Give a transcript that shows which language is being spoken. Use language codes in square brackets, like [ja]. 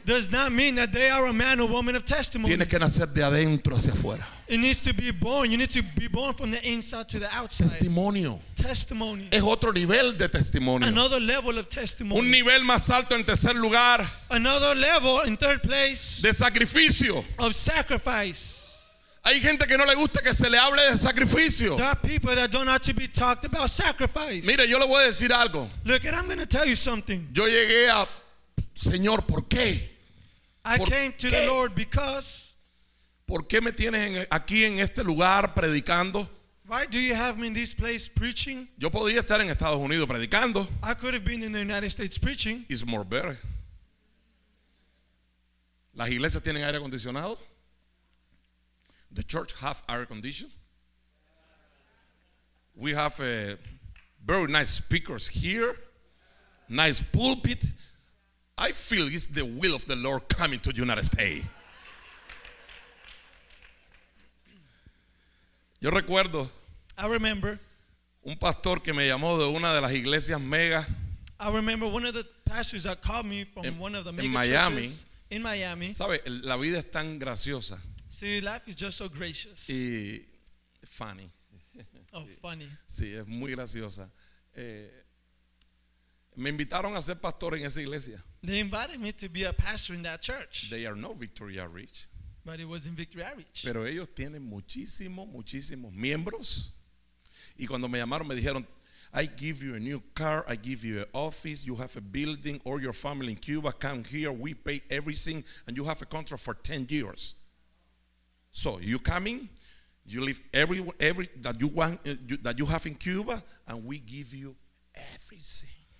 [en] Does not mean that they are a man or woman of testimony. [es] Tienes que nacer de adentro hacia afuera. [en] It needs to be born. You need to be born from the inside to the outside. [es] Testimonio. [en] Testimony. [es] Es otro nivel de testimonio. [en] Another level of testimony. [es] Un nivel más alto en tercer lugar. [en] Another level in third place. [es] De sacrificio. [en] Of sacrifice. [es] Hay gente que no le gusta que se le hable de sacrificio. [en] There are people that don't have to be talked about sacrifice. [es] Mire, yo le voy a decir algo. [en] Look, and I'm going to tell you something. [es] Yo llegué a Señor, ¿por qué? [en] I came to the Lord because. [es] ¿Por qué me tienes aquí en este lugar predicando? [en] Why do you have me in this place preaching? [es] Yo podría estar en Estados Unidos predicando. [en] I could have been in the United States preaching. It's more better. [es] Las iglesias tienen aire acondicionado. [en] The church have air condition. We have very nice speakers here. Nice pulpit. I feel it's the will of the Lord coming to the United States. [es] Yo recuerdo. [en] I remember. [es] Un pastor que me llamó de una de las iglesias mega. [en] I remember one of the pastors that called me from one of the mega Miami, churches in Miami. [es] ¿Sabe? La vida es tan graciosa. [en] See, life is just so gracious. Y funny. Oh, sí. Funny. [es] Sí, es muy graciosa. Me invitaron a ser pastor en esa iglesia. [en] They invited me to be a pastor in that church. They are not Victoria Rich. But it was in Victoria Rich. [es] Pero ellos tienen muchísimos, muchísimos miembros. Y cuando me llamaron me dijeron, [en] I give you a new car, I give you an office, you have a building, all your family in Cuba, come here, we pay everything, and you have a contract for 10 years. So you coming, you leave every that you want that you have in Cuba, and we give you everything.